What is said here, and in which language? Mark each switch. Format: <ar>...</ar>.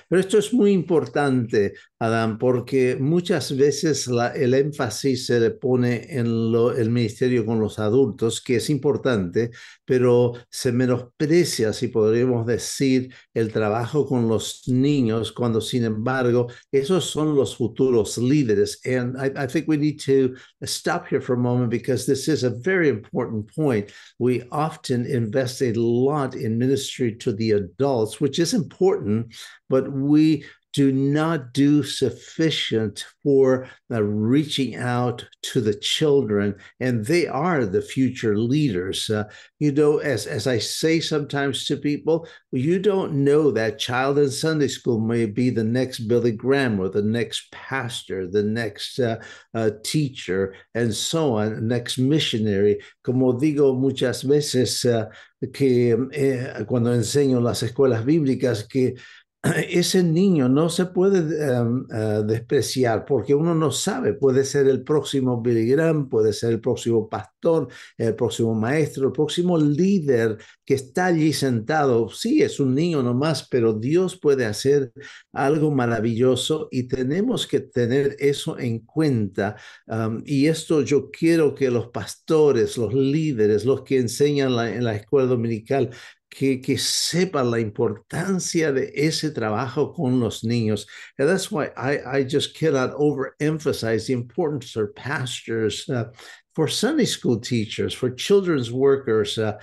<es>Pero esto es muy importante, Adam, porque muchas veces el énfasis se le pone en el ministerio con los adultos, que es importante, pero se menosprecia, si podríamos decir, el trabajo con los niños, cuando sin embargo, esos son los futuros líderes.</es> <en>And I think we need to stop here for a moment because this is a very important point. We often invest a lot in ministry to the adults, which is important, but we do not do sufficient for reaching out to the children, and they are the future leaders. You know, as I say sometimes to people, you don't know that child in Sunday school may be the next Billy Graham or the next pastor, the next teacher, and so on, next missionary.</en> <es>Como digo muchas veces, que cuando enseño las escuelas bíblicas, que Ese niño no se puede despreciar porque uno no sabe, puede ser el próximo Billy Graham, puede ser el próximo pastor, el próximo maestro, el próximo líder que está allí sentado. Sí, es un niño nomás, pero Dios puede hacer algo maravilloso y tenemos que tener eso en cuenta. Y esto yo quiero que los pastores, los líderes, los que enseñan en la escuela dominical, que sepa la importancia de ese trabajo con los niños.</es> <en>And that's why I just cannot overemphasize the importance of pastors for Sunday school teachers, for children's workers.</en>